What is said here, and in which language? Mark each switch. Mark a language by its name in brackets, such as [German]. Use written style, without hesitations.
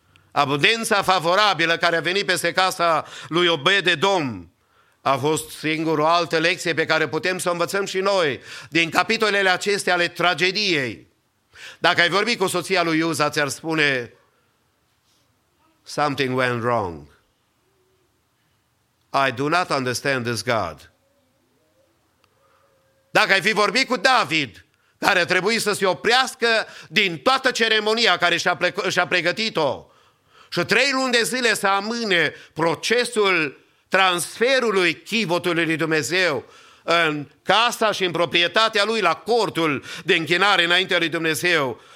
[Romanian] Abundența favorabilă care a venit peste casa lui Obed-edom a fost singur o altă lecție pe care putem să o învățăm și noi din capitolele acestea ale tragediei. Dacă ai vorbit cu soția lui Uza, ți-ar spune [English] something went wrong. I do not understand this God. [Romanian] Dacă ai fi vorbit cu David, care a trebuit să se oprească din toată ceremonia care și-a pregătit-o. Și 3 luni de zile să amâne procesul transferului chivotului lui Dumnezeu în casa și în proprietatea lui la cortul de închinare înaintea lui Dumnezeu.